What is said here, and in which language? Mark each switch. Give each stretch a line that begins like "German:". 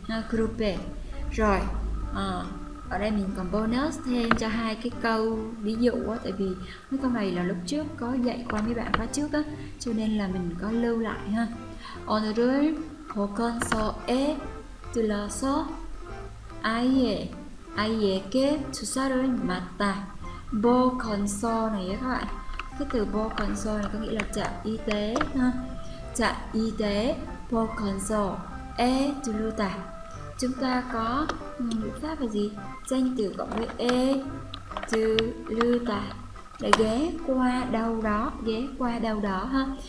Vietnamese: Group. Rồi, ở đây mình còn bonus thêm cho hai cái câu ví dụ á, tại vì cái câu này là lúc trước có dạy qua mấy bạn khóa trước á, cho nên là mình có lưu lại ha.
Korean: 오늘은 보건소에 들러서 아이에게 주사를 맞다.
Vietnamese: 보건소 này các bạn. Cái từ 보건소 này có nghĩa là trạm y tế ha. Trạm y tế
Korean: 보건소에 들러다.
Vietnamese: Chúng ta có ngữ pháp là gì? Danh từ cộng với e từ lưu ta để ghé qua đâu đó ha.